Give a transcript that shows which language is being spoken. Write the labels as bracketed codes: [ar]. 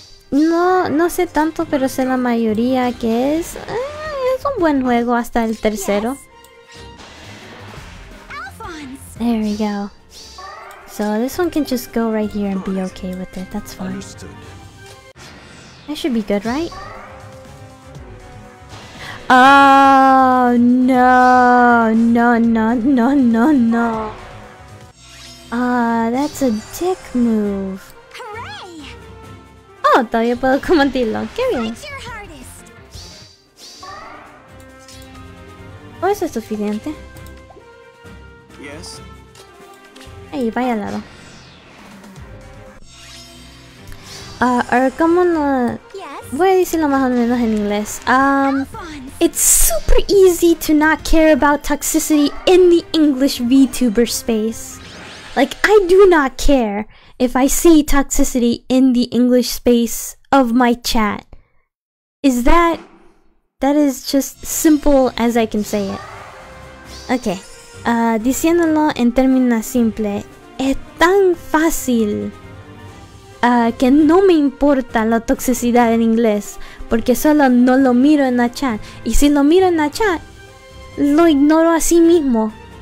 [es] No sé tanto, pero sé la mayoría que es un buen juego hasta el tercero. [en] There we go. So this one can just go right here and be okay with it. That's fine. Understood. I should be good, right? Oh no, no, no, no, no, no. That's a dick move. Hooray! [es] Oh, todavía puedo combatirlo. Qué bien. ¿O eso es suficiente? Ey, vaya al lado. ¿Cómo no? Voy a decirlo más o menos en inglés. [en] It's super easy to not care about toxicity in the English VTuber space. Like, I do not care if I see toxicity in the English space of my chat. Is that... That is just simple as I can say it. Okay. [es] Diciéndolo en términos simples, es tan fácil que no me importa la toxicidad en inglés, porque solo no lo miro en la chat. Y si lo miro en la chat, lo ignoro a sí mismo.